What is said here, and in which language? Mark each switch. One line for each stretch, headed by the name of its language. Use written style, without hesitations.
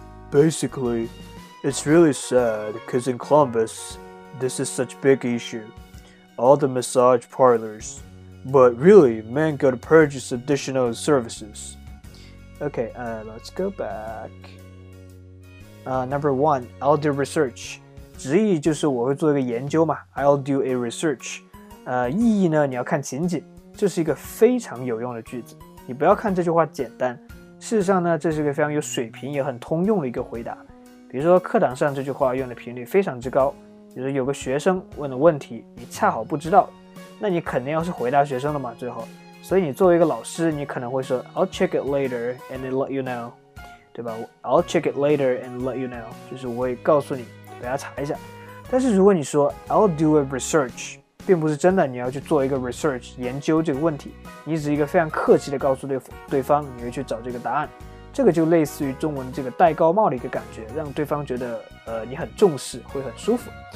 English: Basically,It's really sad, because in Columbus, this is such a big issue. All the massage parlors. But really, men go to purchase additional services. Okay, let's go back. Number one, I'll do research.
Chinese: 直译就是我会做一个研究嘛。
English: I'll do a research.
Chinese: 意义呢，你要看情景。这是一个非常有用的句子。你不要看这句话简单。事实上呢，这是一个非常有水平也很通用的一个回答。比如说课堂上这句话用的频率非常之高，比如说有个学生问的问题你恰好不知道，那你肯定要是回答学生的嘛，最后，所以你作为一个老师，你可能会说
English: I'll check it later and then let you know，
Chinese: 对吧？
English: I'll check it later and let you know，
Chinese: 就是我会告诉你，给他查一下。但是如果你说
English: I'll do a research，
Chinese: 并不是真的你要去做一个 research 研究这个问题，你只是一个非常客气的告诉 对方你会去找这个答案，这个就类似于中文这个戴高帽的一个感觉，让对方觉得你很重视，会很舒服。